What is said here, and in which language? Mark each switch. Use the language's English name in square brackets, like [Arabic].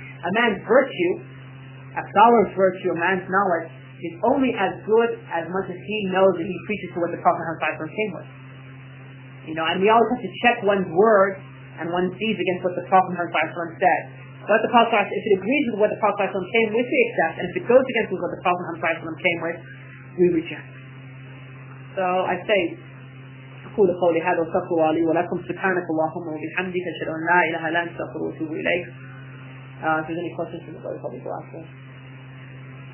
[English] A man's virtue, a scholar's virtue, a man's knowledge, is only as good as much as he knows that he preaches to what the Prophet Muhammad ﷺ came with. You know, and we always have to check one's words and one's deeds against what the Prophet Muhammad ﷺ said. But the Prophet, if it agrees with what the Prophet came with, we accept. And if it goes against what the Prophet came with, we reject. So I say, [Arabic] أقول قولي هذا وأستغفر لي ولكم سبحانك اللهم وبحمدك أشهد أن لا إله إلا أنت أستغفرك وأتوب إليك. [English] If there's any questions, please call me after. I'm not. I'm here.